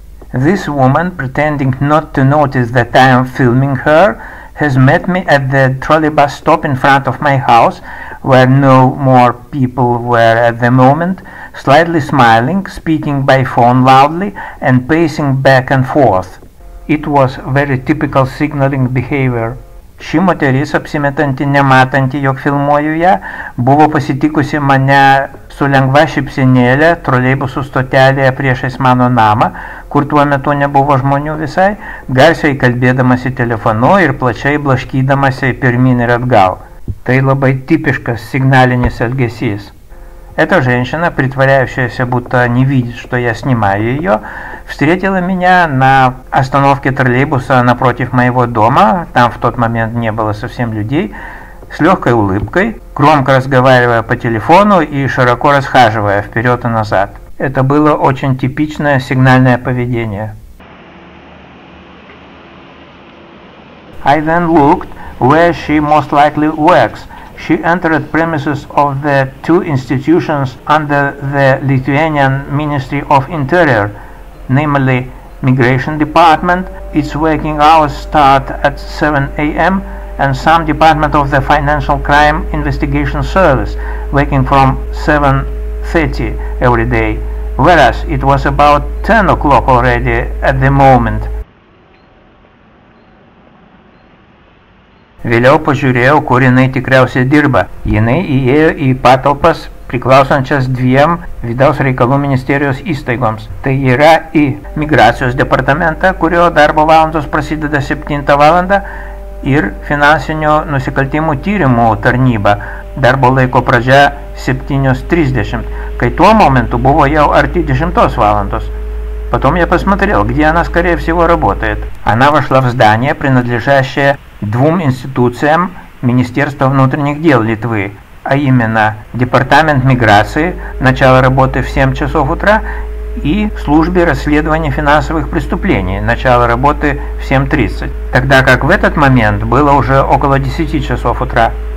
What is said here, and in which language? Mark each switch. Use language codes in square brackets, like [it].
[en] This woman, pretending not to notice that I am filming her, has met me at the trolley bus stop in front of my house, where no more people were at the moment, slightly smiling, speaking by phone loudly, and pacing back and forth. It was very typical signaling behavior. [lt] Ši moteris, apsimetanti nematanti, jog filmuoju ją, buvo pasitikusi mane su lengva šypsenėlė troleibusų stotelėje priešais mano namą, kur tuo metu nebuvo žmonių visai, garsiai kalbėdamasi telefonu ir plačiai blaškydamasi pirmin ir atgal. Tai labai tipiškas signalinis elgesys. [ru] Эта женщина, притворяющаяся, будто не видит, что я снимаю ее, встретила меня на остановке троллейбуса напротив моего дома, там в тот момент не было совсем людей, с легкой улыбкой, громко разговаривая по телефону и широко расхаживая вперед и назад. Это было очень типичное сигнальное поведение. [en] I then looked where she most likely works. She entered premises of the two institutions under the Lithuanian Ministry of Interior, namely Migration Department, its working hours start at 7 a.m., and some Department of the Financial Crime Investigation Service, working from 7:30 every day, whereas it was about 10 o'clock already at the moment. [lt] Vėliau pažiūrėjau, kur jinai tikriausiai dirba. Jinai įėjo į patalpas, priklausančias dviem vidaus reikalų ministerijos įstaigoms. Tai yra į migracijos departamentą, kurio darbo valandos prasideda 7 valandą, ir finansinio nusikaltimų tyrimų tarnybą, darbo laiko pradžia 7:30, kai tuo momentu buvo jau arti 10 valandos. [ru] Потом я посмотрел, где она, скорее всего, работает. Она вошла в здание, принадлежащее двум институциям Министерства внутренних дел Литвы, а именно Департамент миграции, начало работы в 7 часов утра, и Службе расследования финансовых преступлений, начало работы в 7:30, тогда как в этот момент было уже около 10 часов утра.